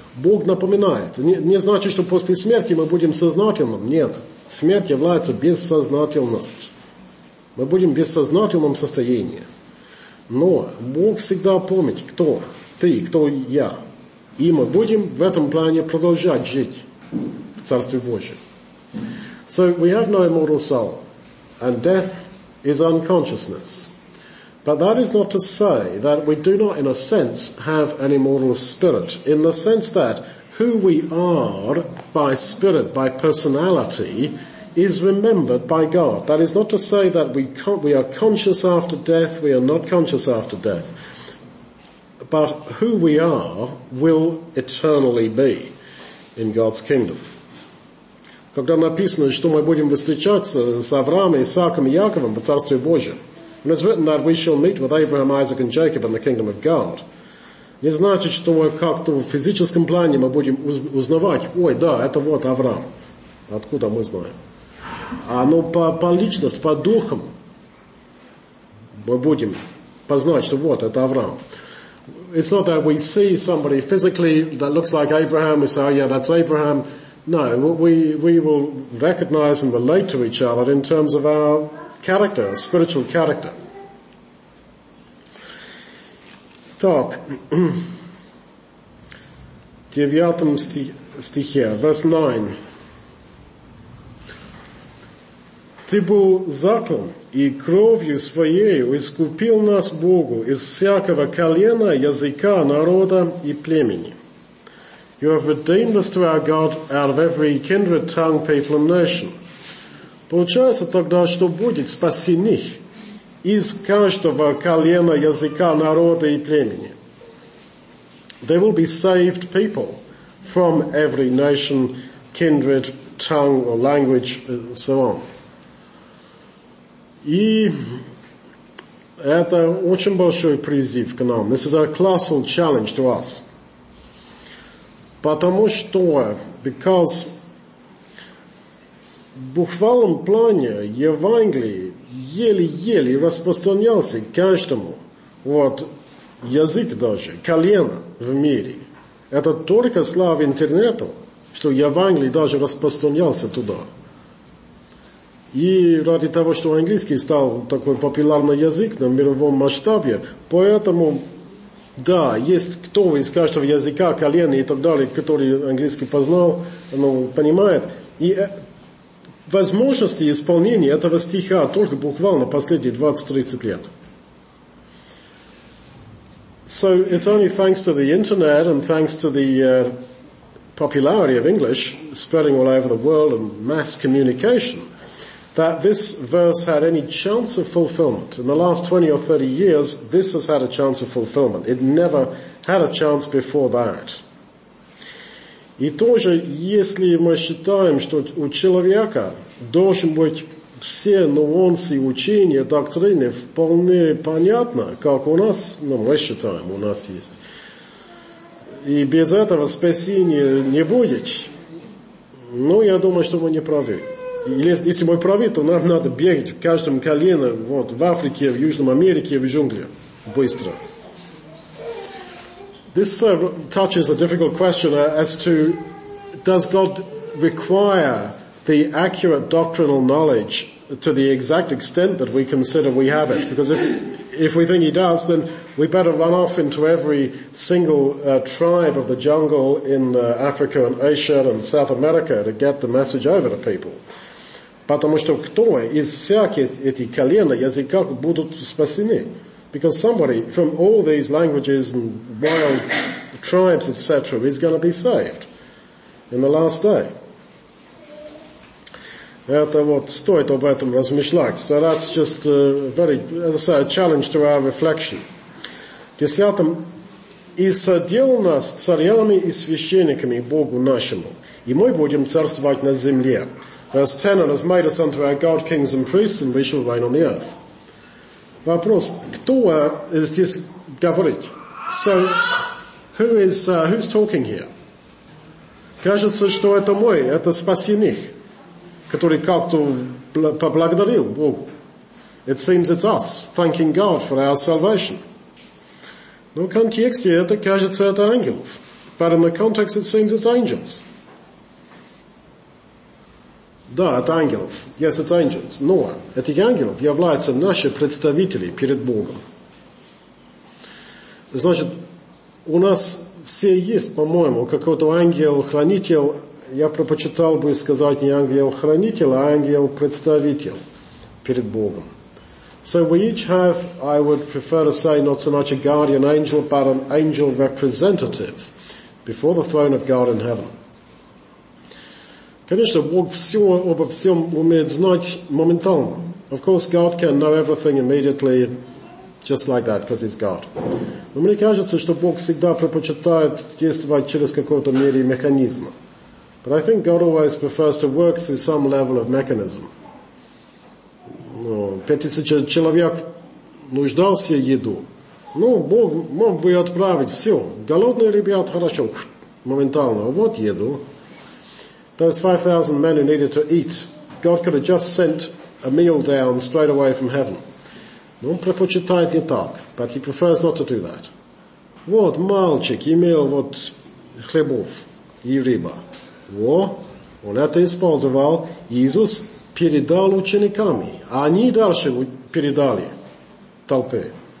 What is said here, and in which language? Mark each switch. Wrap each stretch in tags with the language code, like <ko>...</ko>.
<ru>Бог напоминает. Не значит, что после смерти мы будем сознательным. Нет. Смерть является бессознательностью. Мы будем в бессознательном состоянии. Но Бог всегда помнит, кто ты, кто я. И мы будем в этом плане продолжать жить в Царстве Божьем.</ru> <en>So we have no immortal soul, and death is unconsciousness. But that is not to say that we do not, in a sense, have an immortal spirit, in the sense that who we are by spirit, by personality, is remembered by God. That is not to say that we are conscious after death, we are not conscious after death. But who we are will eternally be in God's kingdom.</en> <ru>Когда написано, что мы будем встречаться с Авраамом, Исааком и Яковом в Царстве Божьем,</ru> <en>when it's written that we shall meet with Abraham, Isaac and Jacob in the kingdom of God,</en> <ru>не значит, что мы как-то в физическом плане мы будем узнавать, ой, да, это вот Авраам. Откуда мы знаем? А ну по личности, по духам мы будем познать, что вот это Авраам.</ru> <en>It's not that we see somebody physically that looks like Abraham, we say, oh yeah, that's Abraham. No, we will recognize and relate to each other in terms of our character, our spiritual character.</en> <ru>Так, девятом стихе,</ru> <en>verse 9.</en> <ru>Ты был заклан, и кровью своею искупил нас Богу из всякого колена, языка, народа и племени.</ru> <en>You have redeemed us to our God out of every kindred, tongue, people and nation.</en> <ru>Получается тогда, что будет спасены из каждого колена, языка, народа и племени.</ru> <en>There will be saved people from every nation, kindred, tongue or language and so on.</en> <ru>И это очень большой призыв к нам.</ru> <en>This is a colossal challenge to us.</en> <ru>Потому что,</ru> <en>because</en> <ru>в буквальном плане Евангелие еле-еле распространялся каждому, вот, язык даже, колено в мире. Это только слава интернету, что Евангелие даже распространялся туда. И ради того, что английский стал такой популярный язык на мировом масштабе, поэтому, да, есть кто из каждого языка, колена и так далее, который английский познал, ну, понимает. И возможности исполнения этого стиха только буквально последние 20-30 лет.</ru> <en>So, it's only thanks to the internet and thanks to the popularity of English spreading all over the world and mass communication that this verse had any chance of fulfillment. In the last 20 or 30 years, this has had a chance of fulfillment. It never had a chance before that.</en> <ru>И тоже, если мы считаем, что у человека должен быть все нюансы учения, доктрины вполне понятно, как у нас, ну, мы считаем, у нас есть. И без этого спасения не будет. Ну, я думаю, что мы не правы. Если мы правы, то нам надо бегать в каждом колене, вот, в Африке, в Южной Америке, в джунгле, быстро.</ru> <en>This touches a difficult question as to, does God require the accurate doctrinal knowledge to the exact extent that we consider we have it? Because if we think he does, then we better run off into every single tribe of the jungle in Africa and Asia and South America to get the message over to people.</en> <ru>Потому что кто из всяких этих колен языков будут спасены?</ru> <en>Because somebody from all these languages and wild tribes, etc., is going to be saved in the last day.</en> <ru>Это вот стоит об этом размышлять.</ru> <en>So that's just a very, as I say, a challenge to our reflection.</en> <ru>Десятым, и садил нас царями и священниками Богу нашему, и мы будем царствовать на земле.</ru> <en>Verse 10, and has made us unto our God kings and priests, and we shall reign on the earth.</en> <ru>Вопрос, кто здесь говорит?</ru> <en>So, who's talking here?</en> <ru>Кажется, что это мой, это спасенных, который как-то поблагодарил Богу.</ru> <en>It seems it's us, thanking God for our salvation.</en> <ru>Но в контексте это кажется это ангелов.</ru> <en>But in the context it seems it's angels.</en> <ru>Да, это ангелов.</ru> <en>Yes, it's angels.</en> <ru>Но эти ангелов являются наши представители перед Богом. Значит, у нас все есть, по-моему, какой-то ангел-хранитель. Я предпочитал бы сказать не ангел-хранитель, а ангел-представитель перед Богом.</ru> <en>So we each have, I would prefer to say, not so much a guardian angel, but an angel representative before the throne of God in heaven.</en> <ru>Конечно, Бог все обо всем умеет знать моментально.</ru> <en>Of course, God can know everything immediately, just like that, because he's God.</en> <ru>Но мне кажется, что Бог всегда предпочитает действовать через какой-то мере механизма.</ru> <en>But I think God always prefers to work through some level of mechanism.</en> <ru>Ну, 5000 человек нуждался в еду. Ну, Бог мог бы отправить все. Голодные ребята, хорошо, моментально. Вот еду.</ru> <en>Those 5,000 men who needed to eat, God could have just sent a meal down straight away from heaven.</en> <ru>Но он предпочитает не так,</ru> <en>but he prefers not to do that.</en> <ru>Вот, мальчик, имел вот хлебов и рыба. Во, он это использовал, Иисус передал учениками, а они дальше передали толпе.</ru>